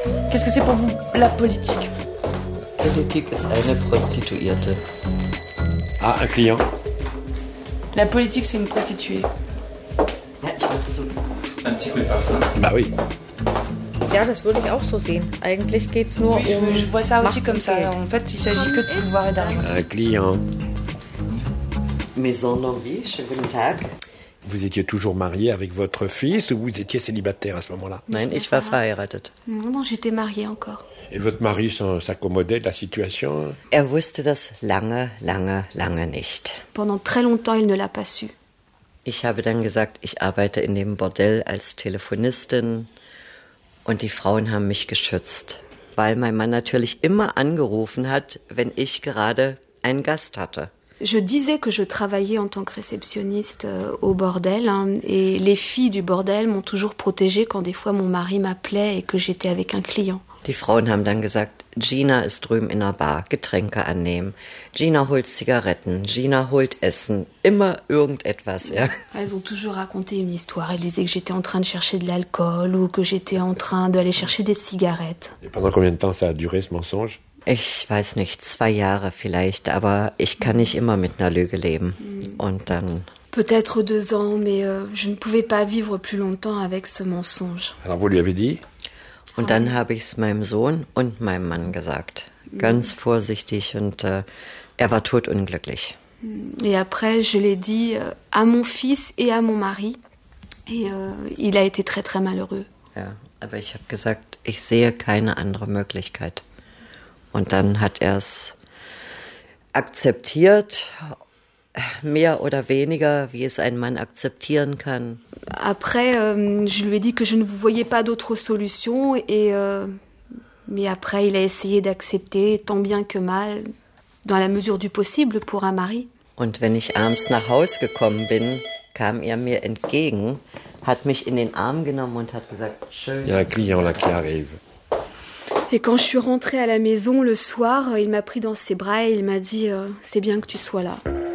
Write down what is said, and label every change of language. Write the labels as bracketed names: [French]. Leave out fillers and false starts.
[French] Qu'est-ce que c'est pour vous, la politique ? [German] Politik ist eine Prostituierte. [French] Ah, un client. La politique, c'est une prostituée. Un petit coup de parfum. Bah oui. [German] Ja, das würde ich auch so sehen. Eigentlich geht's nur [French] oui, je vois ça aussi comme ça. En fait, il s'agit que de pouvoir et d'argent. Un client. Maison d'envie, [German] schönen Tag. [French] Vous étiez toujours mariée avec votre fils ou vous étiez célibataire à ce moment-là ? [German] Nein, ich war verheiratet. [French] Non, j'étais mariée encore. Et votre mari s'accommodait de la situation ? [German] Er wusste das lange, lange, lange nicht. [French] Pendant très longtemps, il ne l'a pas su. [German] Ich habe dann gesagt, ich arbeite in dem Bordell als Telefonistin und die Frauen haben mich geschützt, weil mein Mann natürlich immer angerufen hat, wenn ich gerade einen Gast hatte. [French] Je disais que je travaillais en tant que réceptionniste au bordel hein, et les filles du bordel m'ont toujours protégée quand des fois mon mari m'appelait et que j'étais avec un client. [German] Die Frauen haben dann gesagt, Gina ist drüben in der Bar, Getränke annehmen. Gina holt Zigaretten, Gina holt Essen, immer irgendetwas. Ja. [French] Elles ont toujours raconté une histoire. Elles disaient que j'étais en train de chercher de l'alcool ou que j'étais en train d'aller chercher des cigarettes. Et pendant combien de temps ça a duré ce mensonge? [German] Ich weiß nicht, 2 Jahre vielleicht, aber ich kann nicht immer mit einer Lüge leben. Und dann. [French] Peut-être 2 ans, mais je ne pouvais pas vivre plus longtemps avec ce mensonge. Alors, vous lui avez dit? [German] Und dann habe ich es meinem Sohn und meinem Mann gesagt. Ganz vorsichtig und er war todunglücklich. [French] Et après, je l'ai dit à mon fils et à mon mari. Et il a été très, très malheureux. [German] Ja, aber ich habe gesagt, ich sehe keine andere Möglichkeit. Und dann hat er es akzeptiert, mehr oder weniger, wie es ein Mann akzeptieren kann. [French] Après, je lui ai dit que je ne voyais pas d'autre solution, et mais après, il a essayé d'accepter, tant bien que mal, dans la mesure du possible pour un mari. [German] Und wenn ich abends nach Hause gekommen bin, kam er mir entgegen, hat mich in den Arm genommen und hat gesagt, schön. [French] Il y a un client là qui arrive. Et quand je suis rentrée à la maison le soir, il m'a pris dans ses bras et il m'a dit « C'est bien que tu sois là ».